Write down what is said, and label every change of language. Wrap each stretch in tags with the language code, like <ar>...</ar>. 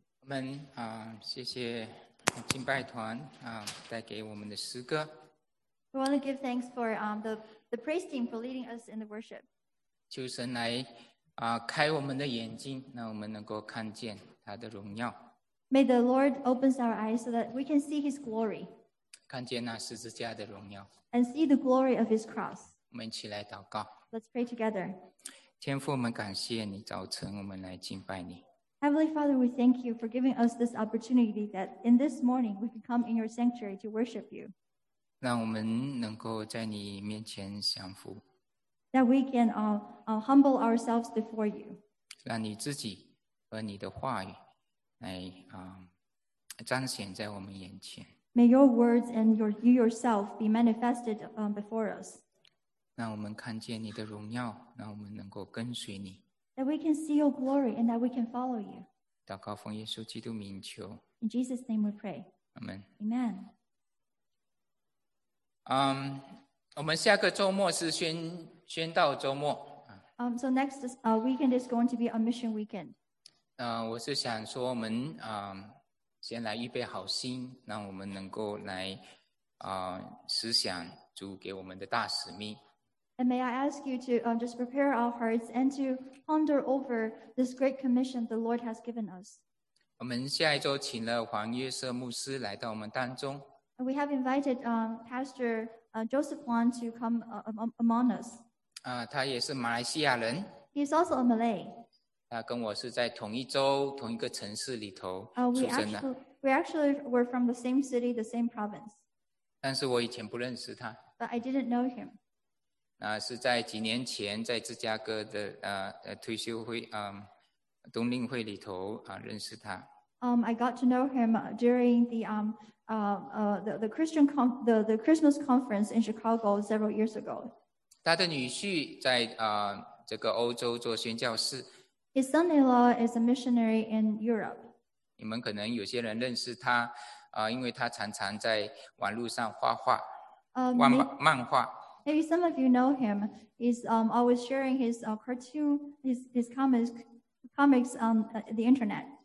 <zh>我们谢谢敬拜团带给我们的诗歌。</zh> <en>We want to give thanks for the praise team for leading us in the worship.</en> <zh>求神来开我们的眼睛，让我们能够看见他的荣耀。</zh> <en>May the Lord open our eyes so that we can see his glory.</en> <zh>看见那十字架的荣耀。</zh> <en>And see the glory of his cross.</en> <zh>我们一起来祷告。</zh> <en>Let's pray together.</en> <zh>天父，我们感谢你，早晨我们来敬拜你。</zh> <en>Heavenly Father, we thank you for giving us this opportunity that in this morning we can come in your sanctuary to worship you.</en> <zh>让我们能够在你面前降服。</zh> <en>That we can humble ourselves before you.</en> <zh>让你自己和你的话语来彰显在我们眼前。</zh> <en>May your words and you yourself be manifested before us.</en> <zh>让我们看见你的荣耀，让我们能够跟随你。</zh> <en>That we can see your glory and that we can follow you.</en> <zh>祷告奉耶稣基督名求。</zh> <en>In Jesus' name we pray. Amen. Amen.</en> <zh>我们下个周末是宣道周末。</zh> <en>So next weekend is going to be a mission weekend.</en> <zh>我是想说我们先来预备好心，让我们能够来思想主给我们的大使命。</zh> <en>And may I ask you to just prepare our hearts and to ponder over this great commission the Lord has given us.</en> <zh>我们下一周请了黄约瑟牧师来到我们当中。</zh> <en>And we have invited Pastor Joseph Wan to come among us.</en> <zh>他也是马来西亚人。</zh> <en>He is also a Malay.</en> <zh>他跟我是在同一州、同一个城市里头出生的。</zh> <en>We actually were from the same city, the same province.</en> <zh>但是我以前不认识他。</zh> <en>But I didn't know him.</en> <zh>是在几年前在芝加哥的退休会冬令会里头认识他。</zh> <en>I got to know him during the Christmas conference in Chicago several years ago.</en> <zh>他的女婿在这个欧洲做宣教士。</zh> <en>His son-in-law is a missionary in Europe.</en> <zh>你们可能有些人认识他因为他常常在网络上画画漫画。</zh> <en>Maybe some of you know him. He's always sharing his cartoon, his comics on the internet.</en>